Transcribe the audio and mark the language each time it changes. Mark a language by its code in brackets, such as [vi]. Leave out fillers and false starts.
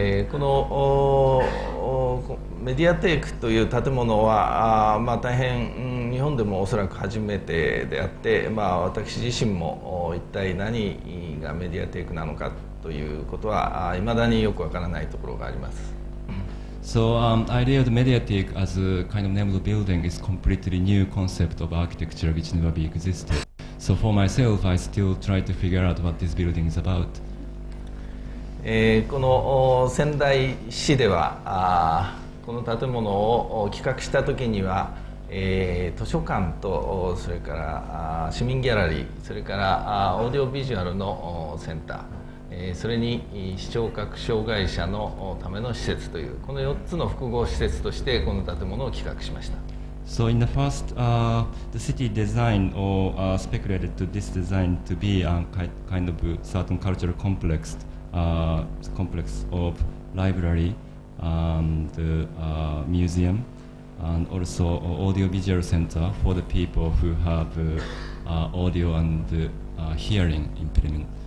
[ja] このメディアテイクという建物は、大変日本でもおそらく初めてであって、私自身も一体何がメディアテイクなのかということはいまだによくわからないところがあります。 [en] So the idea of the media take as a kind of name of the building is completely new concept of architecture which never be existed. So for myself, I still try to figure out what this building is about. [ja] この仙台市ではこの建物を企画したときには、図書館とそれから市民ギャラリーそれからオーディオビジュアルのセンター、それに視聴覚障害者のための施設というこの4つの複合施設としてこの建物を企画しました。 [en] So in the first, the city design speculated to this design to be a kind of certain cultural complexcomplex of library and museum and also audio visual center for the people who have audio and hearing impairment.